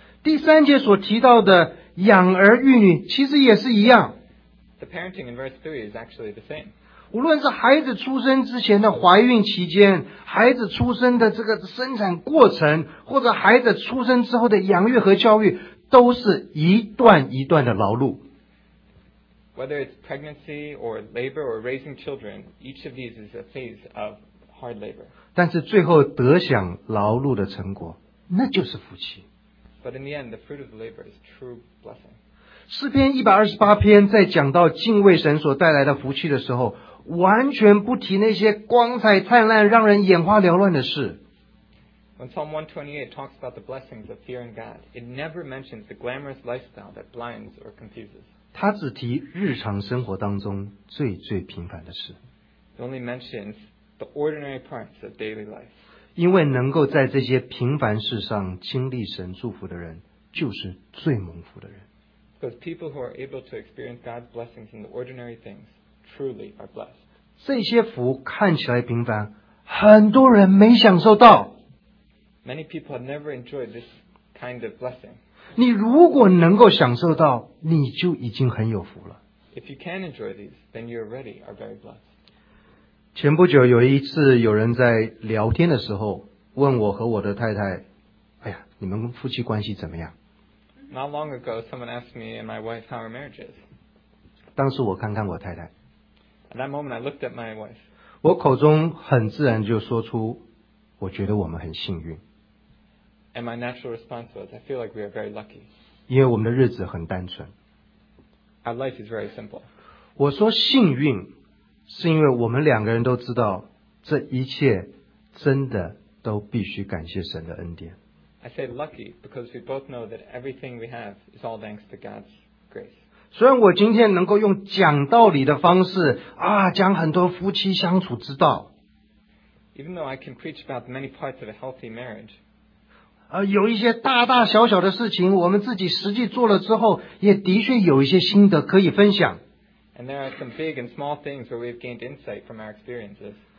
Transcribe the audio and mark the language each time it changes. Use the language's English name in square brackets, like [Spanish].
[Chinese] 第三节所提到的养儿育女其实也是一样。 [English] The parenting in verse 3 is actually the same. [Chinese] 无论是孩子出生之前的怀孕期间，孩子出生的这个生产过程，或者孩子出生之后的养育和教育，都是一段一段的劳碌。 [English] Whether it's pregnancy or labor or raising children, each of these is a phase of hard labor. [Chinese] 但是最后得享劳碌的成果，那就是福气。 [English] But in the end, the fruit of the labor is true blessing. [Chinese] 诗篇128篇在讲到敬畏神所带来的福气的时候，完全不提那些光彩灿烂、让人眼花缭乱的事。 [English] When Psalm 128 talks about the blessings of fearing God, it never mentions the glamorous lifestyle that blinds or confuses. [Chinese] 他只提日常生活当中最最平凡的事。 [English] It only mentions the ordinary parts of daily life. [Chinese] 因为能够在这些平凡事上经历神祝福的人，就是最蒙福的人。 [English] Because people who are able to experience God's blessings in the ordinary things truly are blessed. [Chinese] 这些福看起来平凡，很多人没享受到。 [English] Many people have never enjoyed this kind of blessing. [Chinese] 你如果能够享受到，你就已经很有福了。 [English] If you can enjoy these, then you already are very blessed. [Chinese] 前不久有一次，有人在聊天的时候问我和我的太太，哎呀，你们夫妻关系怎么样？ [English] Not long ago, someone asked me and my wife how our marriage is. [Chinese] 当时我看看我太太。 [English] At that moment, I looked at my wife. [Chinese] 我口中很自然就说出我觉得我们很幸运。 [English] And my natural response was, I feel like we are very lucky. [Chinese] 因为我们的日子很单纯。 [English] Our life is very simple. [Chinese] 我说幸运，是因为我们两个人都知道，这一切真的都必须感谢神的恩典。 [English] I say lucky because we both know that everything we have is all thanks to God's grace. [Chinese] 虽然我今天能够用讲道理的方式啊，讲很多夫妻相处之道。 [English] Even though I can preach about many parts of a healthy marriage, [Chinese] 有一些大大小小的事情，我们自己实际做了之后，也的确有一些心得可以分享。 [English] And there are some big and small things where we've gained insight from our experiences.